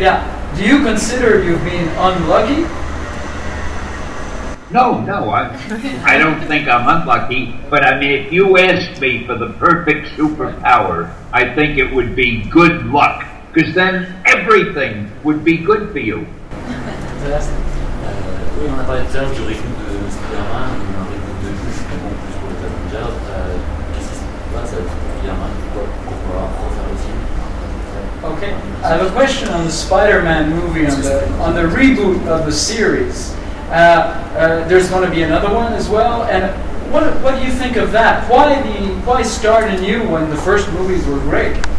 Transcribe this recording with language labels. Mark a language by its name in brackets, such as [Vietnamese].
[English] Yeah. Do you consider you've been unlucky? No, I don't think I'm unlucky, but I mean, if you asked me for the perfect superpower, I think it would be good luck, because then everything would be good for you. [French] Oui, on a parlé tout à l'heure du rythme de Spider-Man, un rythme de jeu, justement, plus pour les Avengers. Qu'est-ce qui se passe avec Spider-Man? Pourquoi refaire le film? [English] Ok, I have a question on the Spider-Man movie, on the reboot of the series. There's going to be another one as well, and what do you think of that? Why start anew when the first movies were great?